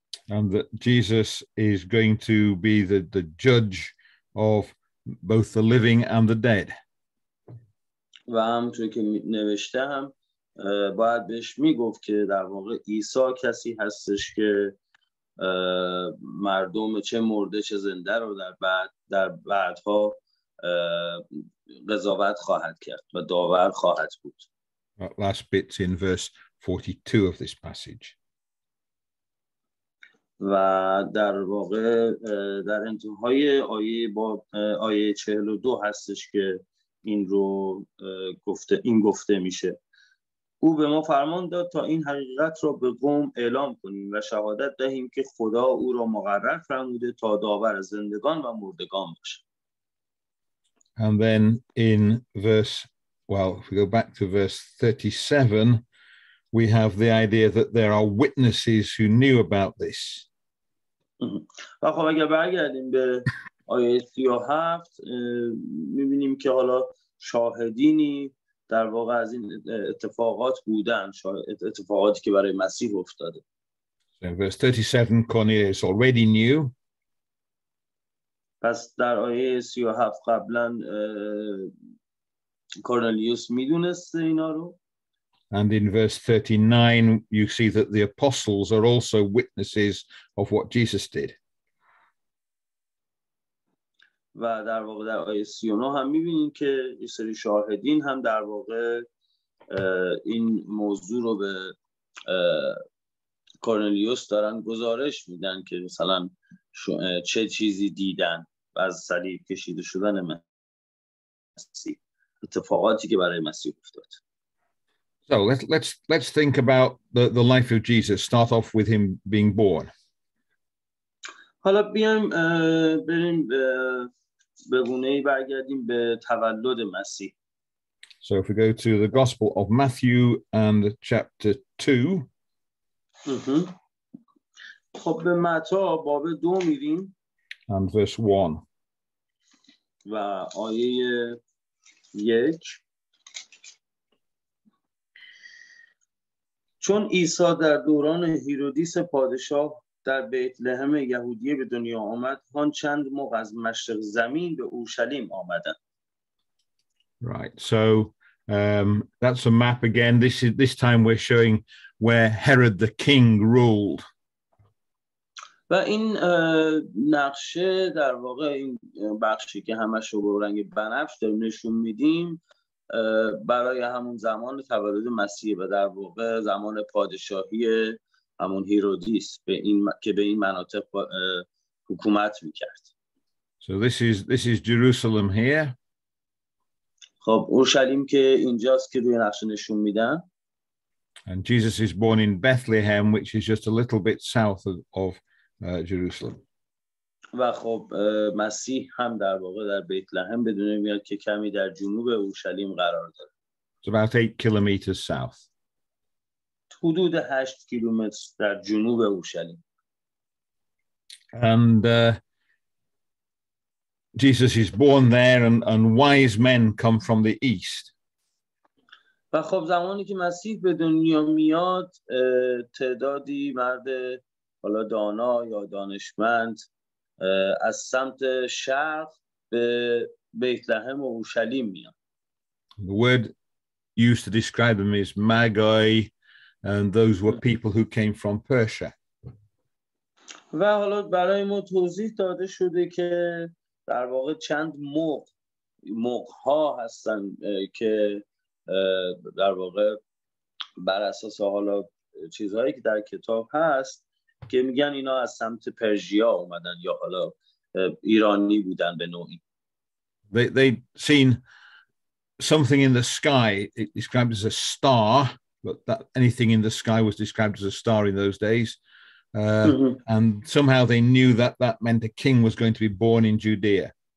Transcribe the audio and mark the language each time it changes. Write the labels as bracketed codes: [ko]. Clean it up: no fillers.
[en] And that Jesus is going to be the judge of both the living and the dead. [fa] و همونطور که نوشته هم باید بهش میگفت که در واقع عیسی کسی هستش که مردم چه مرده چه زنده رو در بعدها قضاوت خواهد کرد و داور خواهد بود. [en] Last bits in verse 42 of this passage. [fa] و در واقع در انتهای آیه 42 هستش که این رو گفته میشه. او به ما فرمان داد تا این حقیقت را به قوم اعلام کنیم و شهادت دهیم که خدا او را مقرر فرموده تا داور زندگان و مردگان باشد. [en] And then in if we go back to verse 37, we have the idea that there are witnesses who knew about this. [fa] و خب اگر برگردیم به آیه 37 می‌بینیم که حالا شاهدینی در واقع از این اتفاقات بودن، اتفاقاتی که برای مسیح افتاده. [en] So in verse 37, Cornelius already knew. [fa] پس در آیه 37 قبلاً کورنلیوس میدونست اینا رو. [en] And in verse 39, you see that the apostles are also witnesses of what Jesus did. [fa] و در واقع در آیه 39 هم می‌بینیم که یه سری شاهدین هم در واقع این موضوع رو به کورنلیوس دارن گزارش میدن که مثلا چه چیزی دیدن و از صلیب کشیده شدن مسیح، اتفاقاتی که برای مسیح افتاد. [en] So let's think about the life of Jesus. Start off with him being born. [fa] حالا بیایم بریم به گونه‌ای برگردیم به تولد مسیح. [en] So if we go to the Gospel of Matthew and chapter 2. [fa] خب به متا باب 2 می‌ریم. [en] And verse 1. [fa] و آیه 1. چون عیسی در دوران هیرودیس پادشاه در بیت لحم یهودیه به دنیا آمد، هان چند موقع از مشرق زمین به اورشلیم آمدند. [en] Right, so that's a map again. This time we're showing where Herod the king ruled. [fa] و این نقشه در واقع این بخشی که همش رو به رنگ بنفش داریم نشون میدیم برای همون زمان تولد مسیح و در واقع زمان پادشاهی همون هیرودیس که به این مناطق حکومت میکرد. [en] So this is Jerusalem here. [fa] خب اورشلیم که اینجاست که روی نقشه نشون میدن. [en] And Jesus is born in Bethlehem, which is just a little bit south of Jerusalem. [fa] و خب مسیح هم در واقع در بیت لحم به دنیا میاد که کمی در جنوب اورشلیم قرار داره. [en] It's about 8 kilometers south. [fa] حدود 8 کیلومتر در جنوب اورشلیم. [en] And Jesus is born there and wise men come from the east. [fa] و خب زمانی که مسیح به دنیا میاد تعدادی مرد حالا دانا یا دانشمند از سمت شرق به بیت لحم و اورشلیم میان. [en] The word used to describe them is magi, and those were people who came from Persia. [fa] و حالا برای ما توضیح داده شده که در واقع چند مغ‌ها هستن که در واقع بر اساس حالا چیزهایی که در کتاب هست که میگن اینا از سمت پرژیا اومدن یا حالا ایرانی بودن به نوعی. [en] They'd seen something in the sky. It described as a star, but that anything in the sky was described as a star in those days. And somehow they knew that meant a king was going to be born in Judea.